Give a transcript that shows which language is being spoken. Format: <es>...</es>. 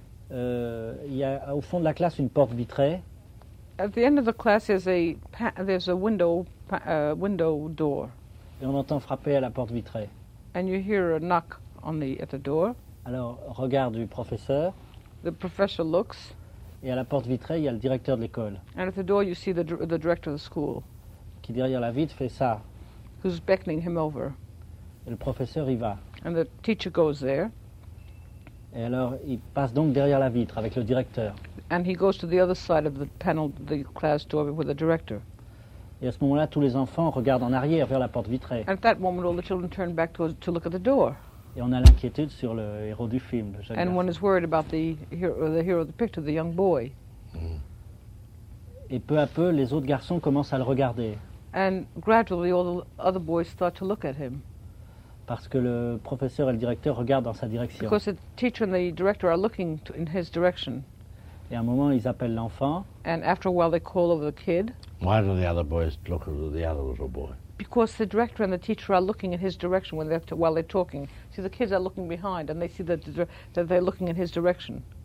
<fr>Il y a au fond de la classe une porte vitrée.</fr> <en>At the end of the class there's a window door.</en> <fr>Et on entend frapper à la porte vitrée.</fr> <en>And you hear a knock on the at the door.</en> <fr>Alors, regard du professeur.</fr> <en>The professor looks.</en> <fr>Et à la porte vitrée, il y a le directeur de l'école.</fr> <en>And at the door, you see the director of the school.</en> <fr>Qui derrière la vitre fait ça.</fr> <en>Who's beckoning him over.</en> <fr>Et le professeur y va.</fr> <en>And the teacher goes there.</en> <fr>Et alors, il passe donc derrière la vitre avec le directeur.</fr> <en>And he goes to the other side of the panel, the class door, with the director.</en> <fr>Et à ce moment-là, tous les enfants regardent en arrière vers la porte vitrée.</fr> <en>At that moment, all the children turn back to look at the door.</en> <fr>Et on a l'inquiétude sur le héros du film, le jeune.</fr> <en>And</en> <fr>garçon.</fr> <en>One is worried about the hero of the picture, the young boy.</en> <fr>Et peu à peu, les autres garçons commencent à le regarder.</fr> <en>And gradually, all the other boys start to look at him.</en> <fr>Parce que le professeur et le directeur regardent dans sa direction.</fr> <en>Because the teacher and the director are looking in his direction.</en> <fr>Et à un moment, ils appellent l'enfant.</fr> <en>And after a while, they call over the kid. Why do the other boys look at the other little boy? Because the director and the teacher are looking in his direction while they're talking. See, the kids are looking behind, and they see that they're looking in his direction.</en>